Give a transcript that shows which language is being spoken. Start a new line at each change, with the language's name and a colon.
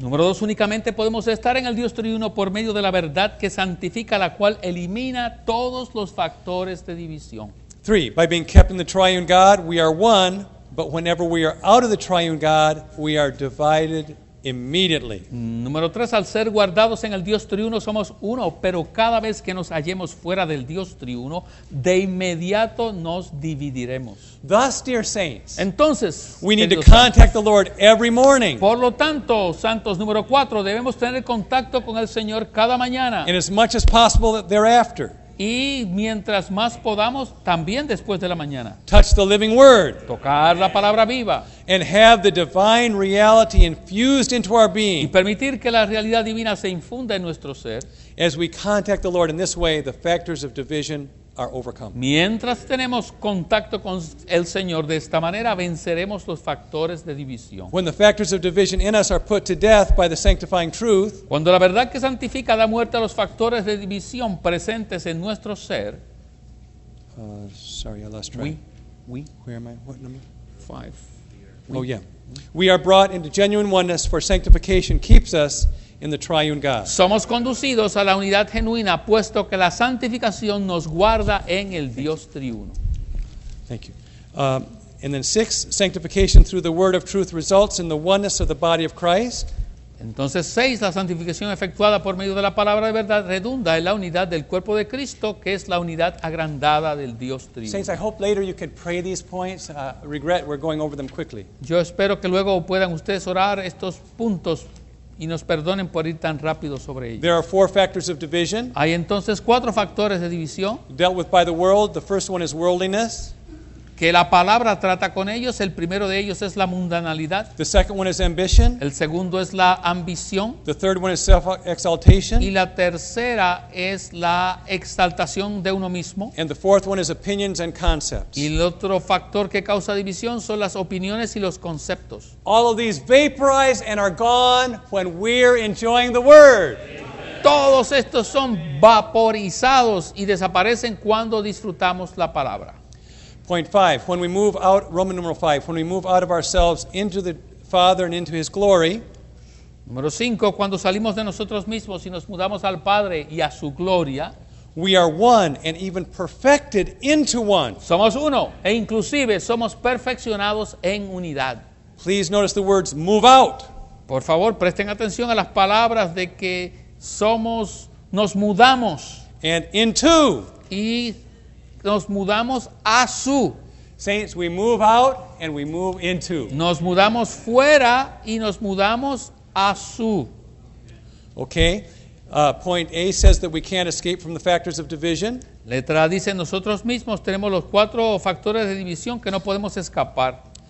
Spanish: Número dos, únicamente podemos estar en el Dios triuno por medio de la verdad que santifica, la cual elimina todos los factores de división.
English: Three, by being kept in the triune God, we are one, but whenever we are out of the triune God, we are divided immediately.
Spanish: Número tres, al ser guardados en el Dios triuno, somos uno, pero cada vez que nos hallemos fuera del Dios triuno, de inmediato nos dividiremos.
English: Thus, dear saints,
Spanish: entonces,
English: we need to contact the Lord every morning.
Spanish: Por lo tanto, santos, número cuatro, debemos tener contacto con el Señor cada mañana.
English: And as much as possible thereafter.
Spanish: Y mientras más podamos, también después de la mañana.
English: Touch the living word.
Spanish: Tocar la palabra viva.
English: And have the divine reality infused into our being.
Spanish: Y permitir que la realidad divina se infunda en nuestro ser.
English: As we contact the Lord in this way, the factors of division are overcome.
Spanish: Mientras tenemos contacto con el Señor de esta manera, venceremos los factores de división.
English: When the factors of division in us are put to death by the sanctifying truth,
Spanish: cuando la verdad que santifica da muerte a los factores de división presentes en nuestro ser.
English: Sorry, I lost track. We. Where am I? What number? Five. Oh yeah. We are brought into genuine oneness, for sanctification keeps us in the triune God.
Spanish: Somos conducidos a la unidad genuina, puesto que la santificación nos guarda en el Dios triuno.
English: Thank you. And then six, sanctification through the word of truth results in the oneness of the body of Christ.
Spanish: Entonces seis, la santificación efectuada por medio de la palabra de verdad redunda en la unidad del cuerpo de Cristo, que es la unidad agrandada del Dios triuno.
English: Saints, I hope later you can pray these points. Regret we're going over them quickly.
Spanish: Yo espero que luego puedan ustedes orar estos puntos y nos perdonen por ir tan rápido sobre ellos.
English: There are four factors of division.
Spanish: Hay entonces cuatro factores de división.
English: Dealt with by the world. The first one is worldliness.
Spanish: Que la palabra trata con ellos. El primero de ellos es la mundanalidad.
English: The second one is ambition.
Spanish: El segundo es la ambición.
English: The third one is self-exaltation.
Spanish: Y la tercera es la exaltación de uno mismo.
English: And the fourth one is opinions and concepts.
Spanish: Y el otro factor que causa división son las opiniones y los conceptos.
English: All of these vaporize and are gone when we're enjoying the word.
Spanish: Todos estos son vaporizados y desaparecen cuando disfrutamos la palabra.
English: Point five, when we move out, Roman numeral five, when we move out of ourselves into the Father and into His glory.
Spanish: Número cinco, cuando salimos de nosotros mismos y nos mudamos al Padre y a su gloria.
English: We are one and even perfected into one.
Spanish: Somos uno e inclusive somos perfeccionados en unidad.
English: Please notice the words move out.
Spanish: Por favor, presten atención a las palabras de que somos, nos mudamos.
English: And into.
Spanish: Y nos mudamos a su.
English: Saints, we move out and we move into.
Spanish: Nos mudamos fuera y nos mudamos a su.
English: Okay. Point A says that we can't escape from the factors of division.
Spanish: Letra A dice, nosotros mismos tenemos los cuatro factores de división que no podemos escapar.